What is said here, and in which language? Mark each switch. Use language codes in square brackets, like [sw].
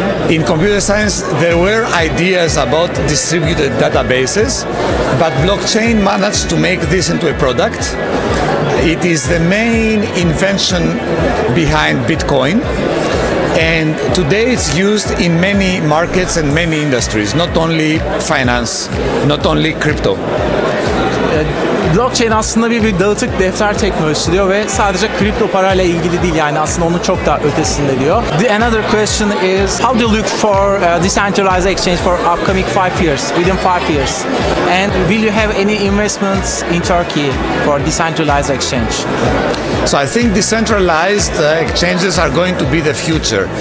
[en] In computer science, there were ideas about distributed databases, but blockchain managed to make this into a product. It is the main invention behind Bitcoin. And today it's used in many markets and many industries, not only finance, not only crypto. [tr] Blockchain aslında bir dağıtık defter teknolojisi diyor ve sadece kripto parayla ilgili değil, yani aslında onun çok daha ötesinde diyor. [en] The another question is, how do you look for decentralized exchange for upcoming 5 years, within 5 years? And will you have any investments in Turkey for decentralized exchange? So I think decentralized exchanges are going to be the future.